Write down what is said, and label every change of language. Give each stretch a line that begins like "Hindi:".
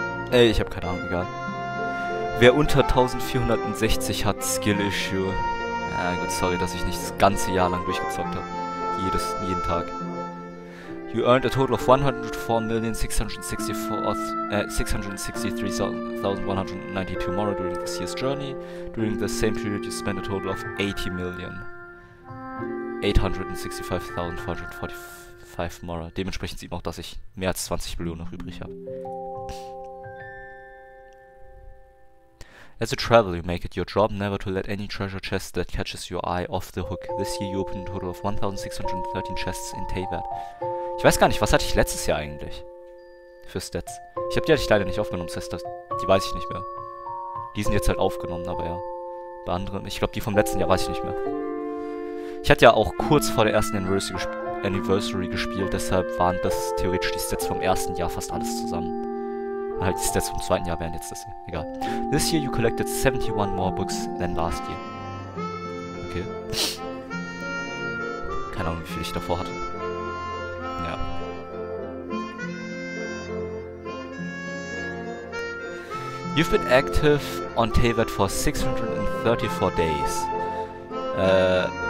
German: Ey, ich hab keine Ahnung, egal. Wer unter 1460 hat Skill Issue? Ja, gut, sorry, dass ich nicht das ganze Jahr lang durchgezockt habe. Jeden Tag.
English: You earned a total of 104.663.192 Mora during this year's journey. During the same period you spent a total of 80.865.445 Mora.
German: Dementsprechend sieht man auch, dass ich mehr als 20 Millionen noch übrig habe.
English: As a traveler, you make it your job never to let any treasure chest that catches your eye off the hook. This year you opened a total of 1613 chests in Teyvat.
German: Ich weiß gar nicht, was hatte ich letztes Jahr eigentlich? Für Stats. Ich habe die hatte ich leider nicht aufgenommen, das heißt, die weiß ich nicht mehr. Die sind jetzt halt aufgenommen, aber ja. Bei anderen, ich glaube, die vom letzten Jahr weiß ich nicht mehr. Ich hatte ja auch kurz vor der ersten Anniversary gespielt, deshalb waren das theoretisch die Stats vom ersten Jahr fast alles zusammen. Halt die Stats vom zweiten Jahr wären jetzt das hier. Egal.
English: This year you collected 71 more books than last year. Okay.
German: Keine Ahnung, wie viel ich davor hatte. Ja.
English: You've been active on Teyvat for 634 days.